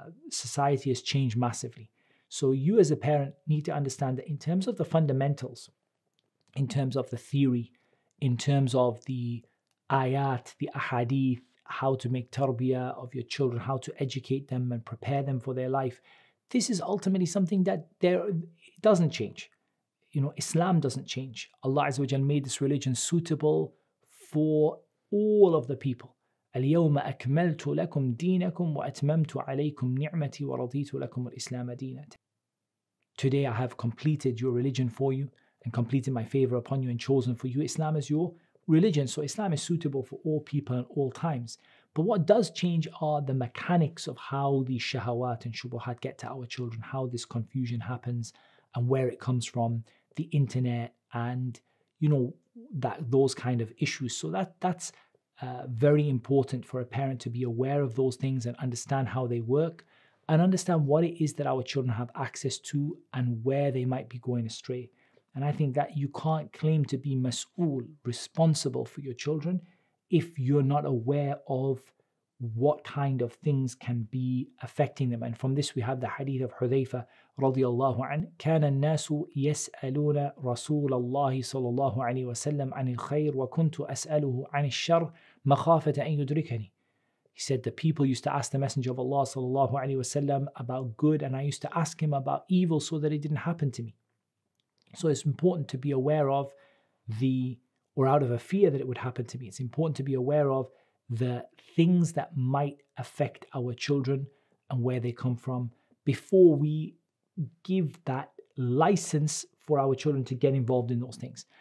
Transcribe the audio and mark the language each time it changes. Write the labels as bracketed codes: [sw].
[en] Society has changed massively. So you as a parent need to understand that in terms of the fundamentals, in terms of the theory, in terms of the ayat, the ahadith, how to make tarbiyah of your children, how to educate them and prepare them for their life, this is ultimately something that doesn't change. You know, Islam doesn't change. Allah Azza wa Jalla made this religion suitable for all of the people. [ar] اليوم أكملت لكم دينكم وأتممت عليكم نعمتي ورضيت لكم الإسلام دينا. [en] Today I have completed your religion for you and completed my favor upon you and chosen for you Islam as your religion, so Islam is suitable for all people and all times. But what does change are the mechanics of how the shahawat and shubuhat get to our children, how this confusion happens and where it comes from, the internet and, you know, that those kind of issues. So that's very important for a parent to be aware of those things and understand how they work and understand what it is that our children have access to and where they might be going astray. And I think that you can't claim to be mas'ul, responsible for your children, if you're not aware of what kind of things can be affecting them. And from this we have the hadith of Hudhayfa radiallahu anhu, [ar] كان الناس يسألون رسول الله صلى الله عليه وسلم عن الخير وكنت أسأله عن الشر مخافة أن يدركني. [en] He said, the people used to ask the Messenger of Allah [ar] صلى الله عليه وسلم [en] about good, and I used to ask him about evil so that it didn't happen to me. So it's important to be aware of the, or out of a fear that it would happen to me, it's important to be aware of the things that might affect our children and where they come from before we give that license for our children to get involved in those things.